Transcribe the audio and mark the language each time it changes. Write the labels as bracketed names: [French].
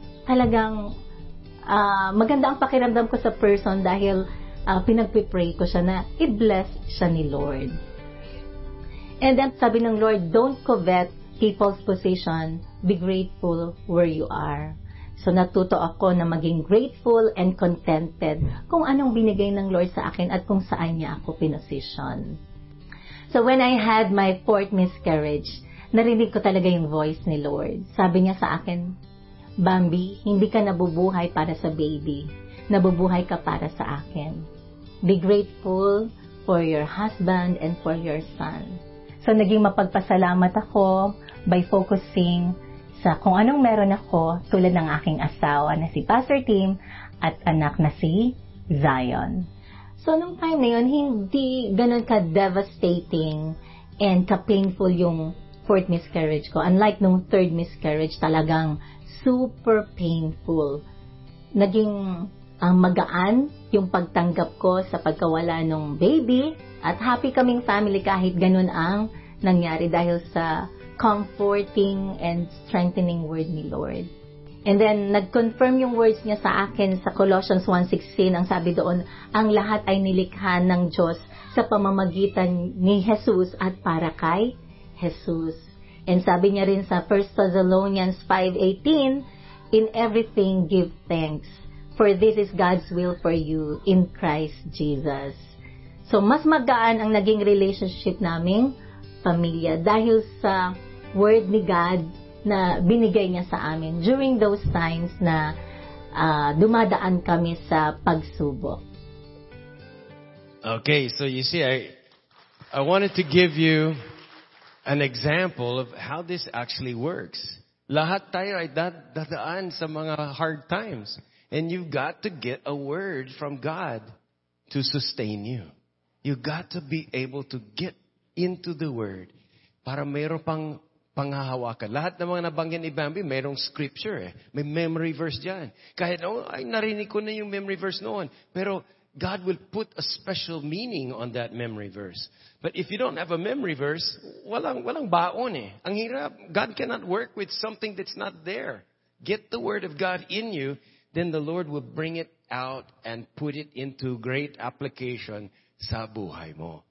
[Filipino] Talagang maganda ang pakiramdam ko sa person dahil pinag-pray ko siya na i-bless siya ni Lord. [English] And then [Filipino] sabi ng [English] Lord, don't covet people's position, be grateful where you are. [Filipino] So natuto ako na maging grateful and contented kung anong binigay ng Lord sa akin at kung saan niya ako pinosisyon. [English] So when I had my fourth miscarriage, [Filipino] narinig ko talaga yung [English] voice ni Lord. [Filipino] Sabi niya sa akin, Bambi, hindi ka nabubuhay para sa baby. Nabubuhay ka para sa akin. [English] Be grateful for your husband and for your son. [Filipino] So naging mapagpasalamat ako [English] by focusing [Filipino] sa kung anong meron ako tulad ng aking asawa na si Pastor Tim at anak na si Zion. So nung time na yun, hindi ganun ka-devastating and ka-painful yung fourth miscarriage ko. Unlike nung third miscarriage, talagang super painful. Naging magaan yung pagtanggap ko sa pagkawala ng baby at happy kaming family kahit ganun ang nangyari dahil sa comforting and strengthening word ni Lord. And then, nag-confirm yung words niya sa akin sa Colossians 1:16, ang sabi doon, ang lahat ay nilikha ng Diyos sa pamamagitan ni Jesus at para kay Jesus. And sabi niya rin sa [English] 1 Thessalonians 5:18, in everything give thanks, for this is God's will for you in Christ Jesus. [Filipino] So, mas magaan ang naging relationship naming pamilya dahil sa word ni God na binigay niya sa amin [English] during those times [Filipino] na dumadaan kami sa pagsubok. [English] Okay, so you see, I wanted to give you an example of how this actually works. [Filipino] Lahat tayo ay dadaan sa mga hard times. [English] And you've got to get a word from God to sustain you. You've got to be able to get into the word [Filipino] para mayroon pang panghahawakan. Lahat ng mga nabanggit ni Bambi, mayroong scripture eh. May memory verse dyan. Kahit, narinig ko na yung memory verse noon. Pero [English] God will put a special meaning on that memory verse. But if you don't have a memory verse, [Filipino] walang baon eh. Ang hirap. [English] God cannot work with something that's not there. Get the word of God in you, then the Lord will bring it out and put it into great application [Filipino] sa buhay mo.